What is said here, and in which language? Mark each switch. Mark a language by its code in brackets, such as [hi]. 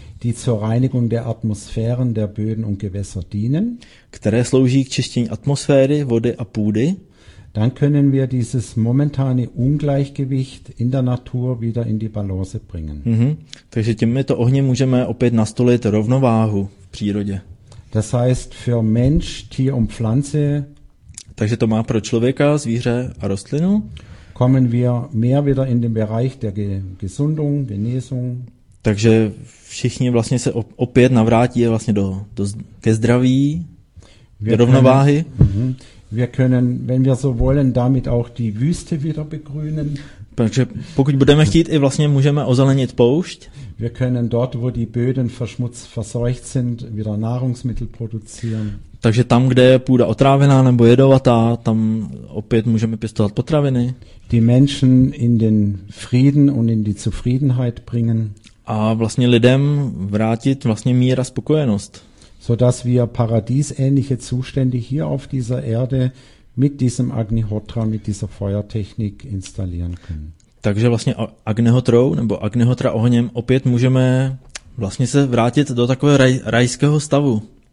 [de] Die zur Reinigung der Atmosphären, der Böden und Gewässer dienen. [cs] Které slouží k čištění atmosféry, vody a půdy. [de] Dann können wir dieses momentane Ungleichgewicht in der Natur wieder in die Balance bringen. Mm-hmm. [cs] Takže těmito ohněm můžeme opět nastolit rovnováhu v přírodě. [de] Das heißt für Mensch, Tier und Pflanze. [cs] Takže to má pro člověka, zvíře a rostlinu. [de] Kommen wir mehr wieder in den Bereich der Gesundung, Genesung. [cs] Takže všichni vlastně se opět navrátí vlastně ke zdraví, do rovnováhy. [de] Wir können, wenn wir so wollen, damit auch die Wüste wieder begrünen. [cs] Takže pokud budeme chtít, i vlastně můžeme ozelenit poušť. [de] Wir können dort, wo die Böden verseucht sind, wieder Nahrungsmittel produzieren. [cs] Takže tam, kde je půda otrávená nebo jedovatá, tam opět můžeme pěstovat potraviny. [de] Die Menschen in den Frieden und in die Zufriedenheit bringen. [cs] A vlastně lidem vrátit vlastně mír a spokojenost. [de] So dass wir paradiesähnliche Zustände hier auf dieser Erde mit diesem Agnihotra, mit dieser Feuertechnik installieren können. [cs] Takže vlastně Agnihotrou nebo Agnihotra ohněm opět můžeme vlastně se vrátit do takového rajského stavu.